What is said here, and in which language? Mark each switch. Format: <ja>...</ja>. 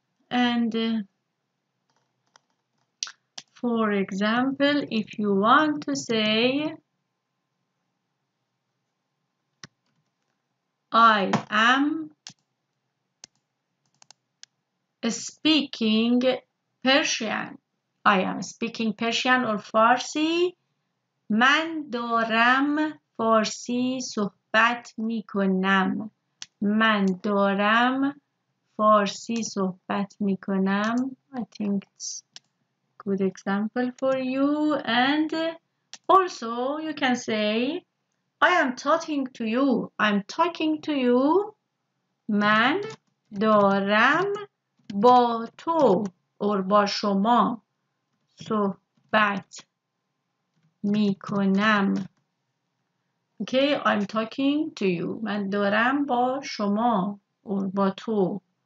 <en>And for example, if you want to say I am speaking Persian. I am speaking Persian or Farsi.</en> <fa>من دارم فارسی صحبت می کنم. من دارم فارسی صحبت می کنم.</fa> <en>I think it's a good example for you. And also you can say I am talking to you. I'm talking to you.</en> <fa>من دارم با تو اور با شما صحبت می کنم.</fa> <en>Okay, I'm talking to you.</en> <fa>من دارم با شما اور با تو.</fa>